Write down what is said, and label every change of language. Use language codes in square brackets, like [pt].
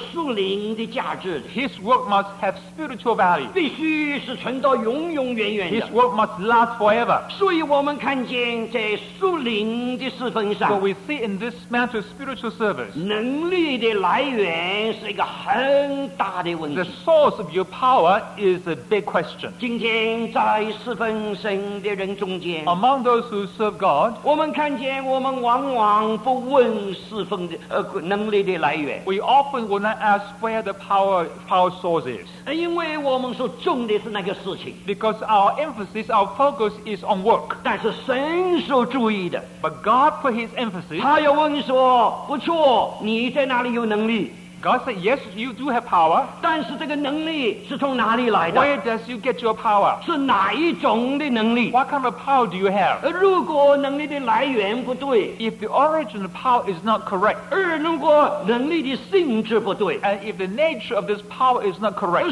[zh] 而他的工作是必须有属灵的价值。 [en] His work must have spiritual value. [zh] 必须是存到永永远远的。 [en] His work must last forever. [zh] 所以我们看见在属灵的侍奉上。 [en] So we see in this matter of spiritual service, [zh] 能力的来源是一个很大的问题。 [en] The source of your power is a big question. [zh] 今天在侍奉神的人中间, [en] Among those who serve God, [zh] 我们看见我们往往不问侍奉的 [en] We often will not ask where the power source is. [zh] 因为我们所重的是那个事情。 [en] Because our emphasis, our focus is on work. [zh] 但是神所注意的。 [en] But God put His emphasis. [zh] 他又问说，不错，你在哪里有能力？ [en] God said, yes, you do have power. [zh] 但是这个能力是从哪里来的? [en] Where does you get your power? [zh] 是哪一种的能力? [en] What kind of power do you have? [zh] 如果能力的来源不对, [en] if the origin of power is not correct, [zh] 而如果能力的性质不对, [en] and if the nature of this power is not correct,